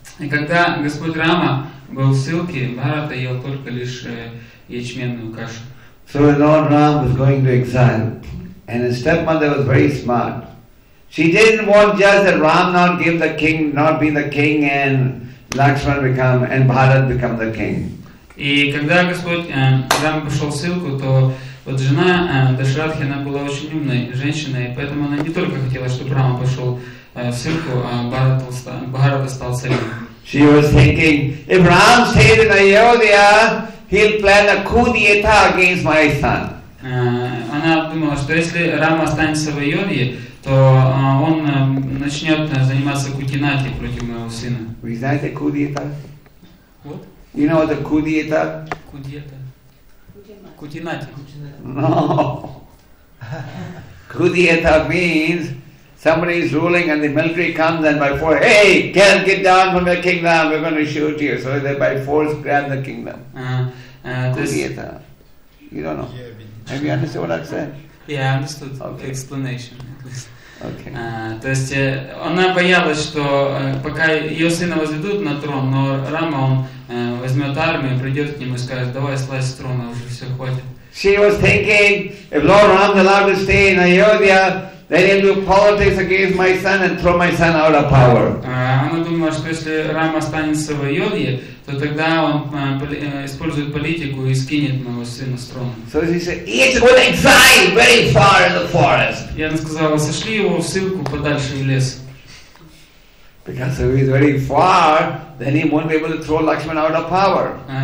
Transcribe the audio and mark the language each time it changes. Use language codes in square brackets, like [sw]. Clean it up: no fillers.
[ru] И когда Господь Рама был в ссылке, Бхарата ел только лишь ячменную кашу. [en] So Lord Rama was going to exile, and his stepmother was very smart. She didn't want just that Ram not be the king and Lakshman become and Bharat become the king. [ru] И когда Господь Рама пошел в ссылку, то вот жена Дашрадхи, она была очень умной женщиной, поэтому она не только хотела, чтобы Рама пошел в ссылку, а Бхарата стал царем. [en] She was thinking, if Ram stayed in Ayodhya, he'll plan a coup d'état against my son. [ru] Она думала, что если Рама останется в Айодхе, то он начнет заниматься кутинати против моего сына. Вы знаете coup d'état? [en] What? You know what a coup d'état? Coup d'état. [ru] Кутинати. [en] No. Coup d'état means somebody is ruling and the military comes and by force, hey, can't get down from your kingdom, we're going to shoot you. So they by force grab the kingdom. Kudieta. You don't know. Yeah, have you understood what I've said? Yeah, I understood the explanation. Okay. [ru] То есть она боялась, что пока ее сына возведут на трон, но Рама, он возьмет армию, придет к нему и скажет, давай слазь с трона, уже все хватит. [en] She was thinking, if Lord Ram is allowed to stay in Ayodhya, then he'll do politics against my son and throw my son out of power. [ru] Она думала, что если Рама останется в Айодхе, то тогда он использует политику и скинет моего сына с трона. [en] So she said, he's going to exile very far in the forest. [ru] И она сказала, сошли его в ссылку подальше в лес. [en] Because if he's very far, then he won't be able to throw Lakshman out of power.